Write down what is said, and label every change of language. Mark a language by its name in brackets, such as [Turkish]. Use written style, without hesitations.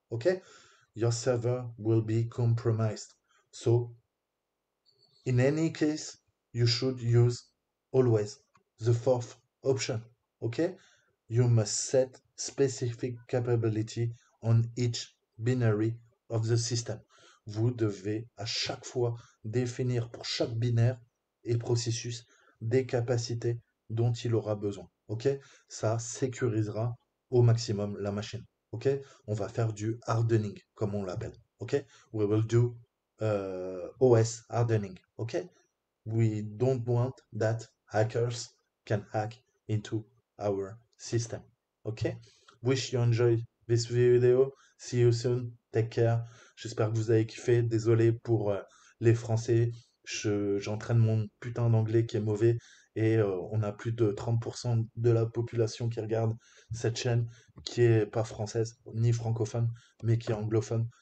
[English] Okay, your server will be compromised. So, in any case, you should use always the fourth option. Okay, you must set specific capability on each binary of the system. [French] Vous devez à chaque fois définir pour chaque binaire et processus des capacités dont il aura besoin. Ok, ça sécurisera au maximum la machine. Ok, on va faire du hardening comme on l'appelle. [English] Ok, we will do OS hardening. Ok, we don't want that hackers can hack into our system. Ok, wish you enjoy this video. See you soon. Take care. [French] J'espère que vous avez kiffé. Désolé pour les Français. J'entraîne mon putain d'anglais qui est mauvais. Et on a plus de 30% de la population qui regarde cette chaîne qui est pas française ni francophone, mais qui est anglophone.